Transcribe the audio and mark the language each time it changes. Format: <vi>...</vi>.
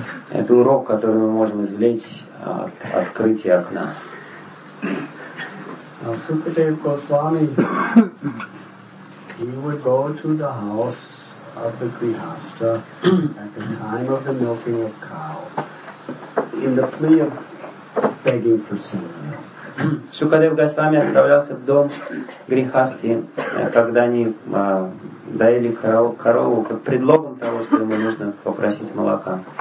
<ru>это урок, который мы можем извлечь от открытия окна.</ru> <en>Сукадев Госвами, he would go to the house of the Grihastha at the time of the milking of cow in the plea of begging for silver.</en> <ru>Сукадев Госвами отправлялся в дом Грихасти, когда они доили корову под предлогом того, что ему нужно попросить молока.</ru>